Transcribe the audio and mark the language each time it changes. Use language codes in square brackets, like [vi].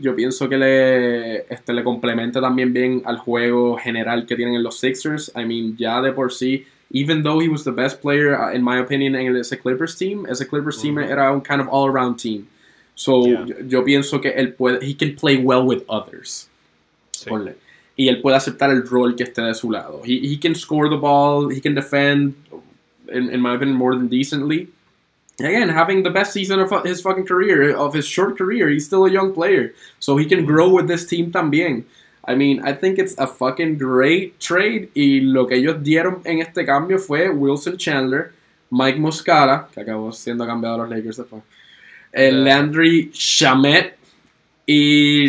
[es] Yo pienso que le complementa también bien al juego general que tienen en los Sixers. [en] I mean, [es] ya de por sí, [en] even though he was the best player, in my opinion, [es] en ese [en] Clippers team, [es] era un [en] kind of all-around team. [es] So, yo pienso que él puede, [en] he can play well with others. [es] Sí. Ponle. Y él puede aceptar el rol que esté de su lado. [en] He can score the ball, he can defend, in my opinion, more than decently. Again, having the best season of his fucking career, of his short career, he's still a young player. So he can grow with this team [es] también. [en] I mean, I think it's a fucking great trade. [es] Y lo que ellos dieron en este cambio fue Wilson Chandler, Mike Muscala, que acabó siendo cambiado a los Lakers después, Landry Shamet, y...